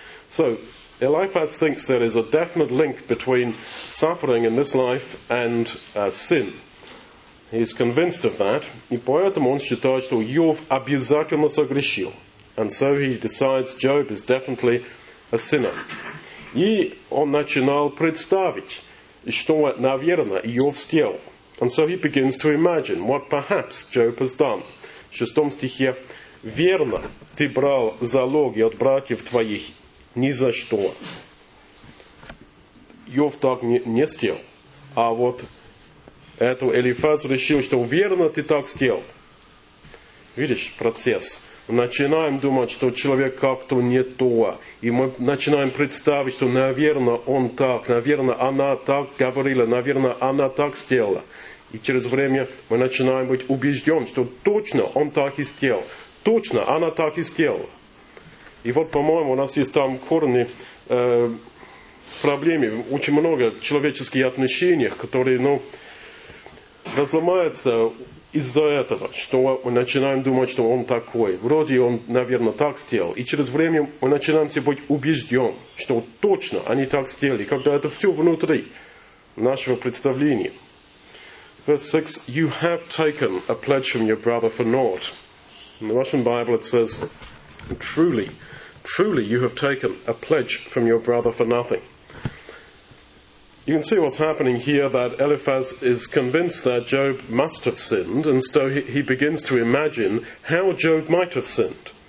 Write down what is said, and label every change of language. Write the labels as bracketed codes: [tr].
[en] So, Eliphaz thinks there is a definite link between suffering in this life and sin. He's convinced of that. [ru] И поэтому он считает, что Йов обязательно согрешил. [en] And so he decides Job is definitely a sinner. [ru] И он начинал представить, что, наверное, Иов сделал. [en] And so he begins to imagine what perhaps Job has done. [ru] В шестом стихе, верно, ты брал залоги от братьев твоих ни за что. Иов так не сделал. А вот эту Элифаз решил, что верно, ты так сделал. Видишь, процесс. Начинаем думать, что человек как-то не то. И мы начинаем представить, что, наверное, он так, наверное, она так говорила, наверное, она так сделала. И через время мы начинаем быть убежден, что точно он так и сделал. Точно она так и сделала. И вот, по-моему, у нас есть там корни проблемы. Очень много человеческих отношений, которые, ну, разломаются из-за этого, что мы начинаем думать, что он такой. Вроде он, наверное, так сделал. И через время мы начинаем себе быть убежден, что точно они так сделали, когда это все внутри нашего представления. [en] Verse 6. You have taken a pledge from your brother for naught. In the Russian Bible it says, truly, truly you have taken a pledge from your brother for nothing. You can see what's happening here, that Eliphaz is convinced that Job must have sinned, and so he begins to imagine how Job might have sinned.